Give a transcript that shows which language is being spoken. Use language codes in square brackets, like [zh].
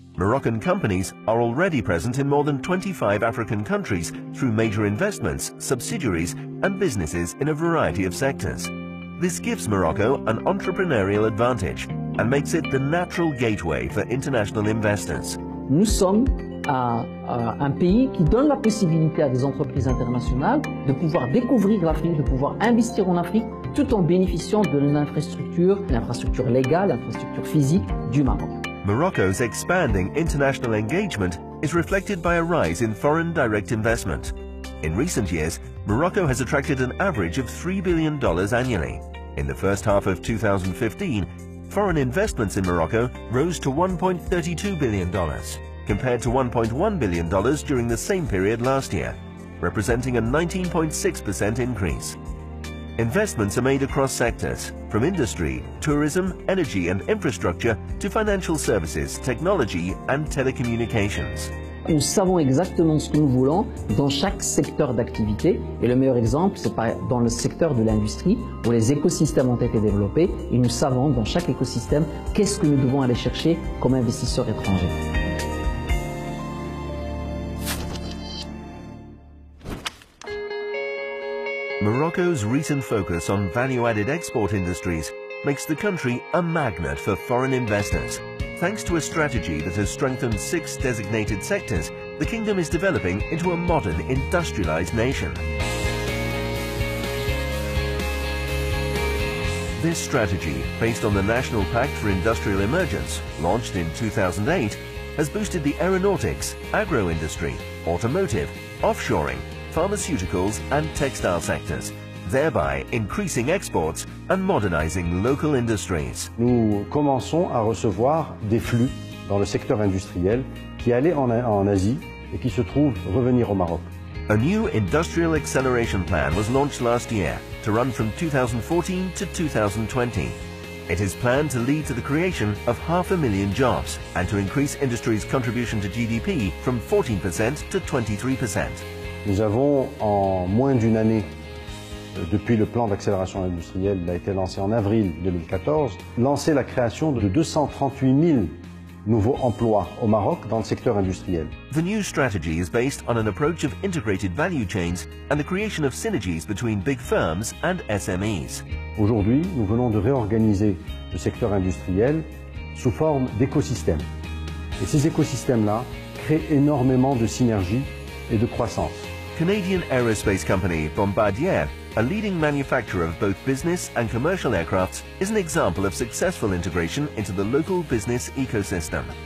[en] Moroccan companies are already present in more than 25 African countries through major investments, subsidiaries and businesses in a variety of sectors. This gives Morocco an entrepreneurial advantage and makes it the natural gateway for international investors. [fr] Nous sommes un pays qui donne la possibilité à des entreprises internationales de pouvoir découvrir l'Afrique, de pouvoir investir en Afrique, tout en bénéficiant de l'infrastructure légale, l'infrastructure physique du Maroc. [en] Morocco's expanding international engagement is reflected by a rise in foreign direct investment. In recent years, Morocco has attracted an average of $3 billion annually. In the first half of 2015, foreign investments in Morocco rose to $1.32 billion. Compared to $1.1 billion during the same period last year, representing a 19.6% increase. Investments are made across sectors, from industry, tourism, energy and infrastructure, to financial services, technology and telecommunications. [fr] Nous savons exactement ce que nous voulons dans chaque secteur d'activité. Et le meilleur exemple, c'est dans le secteur de l'industrie, où les écosystèmes ont été développés. Et nous savons dans chaque écosystème qu'est-ce que nous devons aller chercher comme investisseurs étrangers. [en] Morocco's recent focus on value-added export industries makes the country a magnet for foreign investors. Thanks to a strategy that has strengthened six designated sectors, the kingdom is developing into a modern, industrialized nation. This strategy, based on the National Pact for Industrial Emergence, launched in 2008, has boosted the aeronautics, agro-industry, automotive, offshoring, pharmaceuticals and textile sectors, thereby increasing exports and modernizing local industries. [fr] Nous commençons à recevoir des flux dans le secteur industriel qui allaient en Asie et qui se trouvent revenir au Maroc. [en] A new industrial acceleration plan was launched last year to run from 2014 to 2020. It is planned to lead to the creation of 500,000 jobs and to increase industry's contribution to GDP from 14% to 23%. [fr] Nous avons, en moins d'une année, depuis le plan d'accélération industrielle, il a été lancé en avril 2014, lancé la création de 238 000 nouveaux emplois au Maroc dans le secteur industriel. [en] The new strategy is based on an approach of integrated value chains and the creation of synergies between big firms and SMEs. [fr] Aujourd'hui, nous venons de réorganiser le secteur industriel sous forme d'écosystèmes. Et ces écosystèmes-là créent énormément de synergies et de croissance. [en] Canadian aerospace company Bombardier, a leading manufacturer of both business and commercial aircrafts, is an example of successful integration into the local business ecosystem.